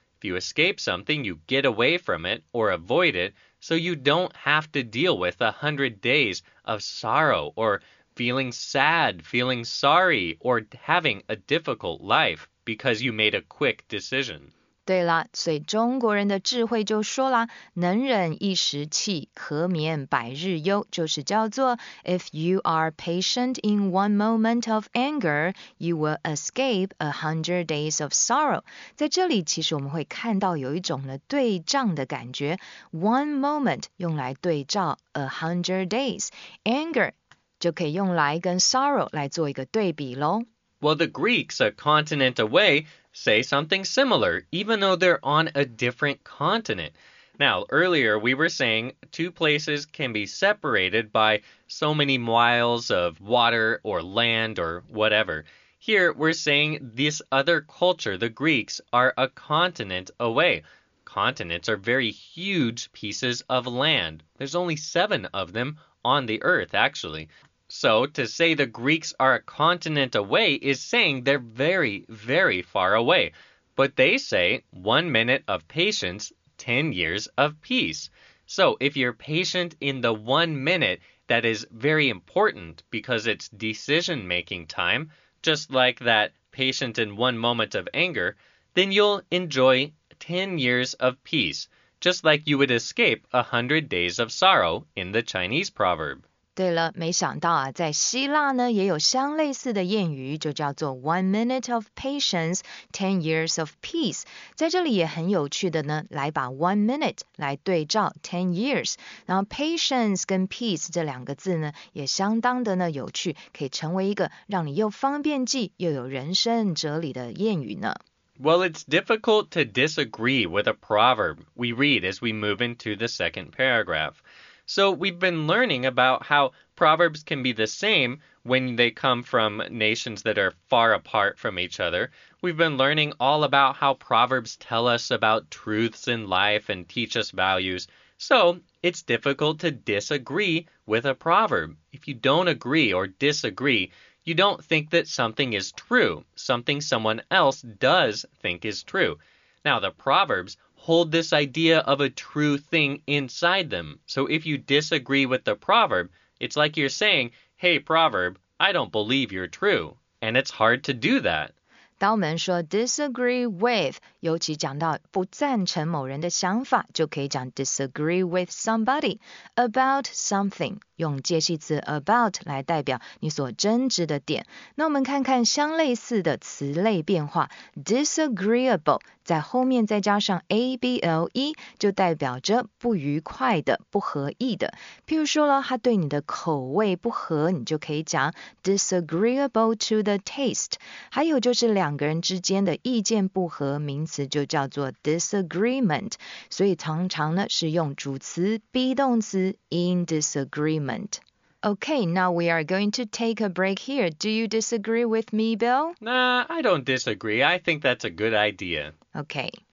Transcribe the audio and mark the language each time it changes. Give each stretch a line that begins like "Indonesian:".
English: If you escape something, you get away from it or avoid it, so you don't have to deal with 100 days of sorrow or feeling sad, feeling sorry, or having a difficult life because you made a quick decision.
Chinese: 对了，所以中国人的智慧就说啦，能忍一时气，可免百日忧，就是叫做
English: If you are patient in one moment of anger, you will escape 100 days of sorrow.
Chinese: 在这里其实我们会看到有一种呢对仗的感觉，
English: One moment
Chinese: 用来对照
English: 100 days,
Chinese: anger 就可以用来跟 sorrow 来做一个对比咯。
English: Well, the Greeks, a continent away, say something similar, even though they're on a different continent. Now, earlier we were saying two places can be separated by so many miles of water or land or whatever. Here, we're saying this other culture, the Greeks, are a continent away. Continents are very huge pieces of land. There's only 7 of them on the Earth, actually. So, to say the Greeks are a continent away is saying they're very, very far away. But they say 1 minute of patience, 10 years of peace. So, if you're patient in the 1 minute, that is very important because it's decision-making time, just like that patient in 1 moment of anger, then you'll enjoy 10 years of peace, just like you would escape 100 days of sorrow in the Chinese proverb.
Chinese: 对了，没想到啊，在希腊呢也有相类似的谚语，就叫做
English: One minute of patience, 10 years of peace。
Chinese: 在这里也很有趣的呢，来把
English: one minute
Chinese: 来对照
English: 10 years，
Chinese: 然后 patience 跟 peace 这两个字呢，也相当的呢有趣，可以成为一个让你又方便记又有人生哲理的谚语呢。
English: Well, it's difficult to disagree with a proverb. We read as we move into the second paragraph. So we've been learning about how proverbs can be the same when they come from nations that are far apart from each other. We've been learning all about how proverbs tell us about truths in life and teach us values. So it's difficult to disagree with a proverb. If you don't agree or disagree, you don't think that something is true, something someone else does think is true. Now, the proverbs hold this idea of a true thing inside them. So if you disagree with the proverb, it's like you're saying, hey, proverb, I don't believe you're true. And it's hard to do that.
Chinese: 当我们说 disagree with， 尤其讲到不赞成某人的想法，就可以讲
English: disagree with somebody about something，
Chinese: 用介系词 about 来代表你所争执的点。那我们看看相类似的词类变化， disagreeable 在后面再加上 able， 就代表着不愉快的、不合意的。譬如说了，他对你的口味不合，你就可以讲
English: disagreeable to the taste。
Chinese: 还有就是两个人之间的意见不合，名词就叫做 disagreement， 所以常常呢是用主词 be 动词
English: in disagreement。 Okay, now we are going to take a break here. Do you disagree with me, Bill? Nah, I don't disagree. I think that's a good idea. Okay.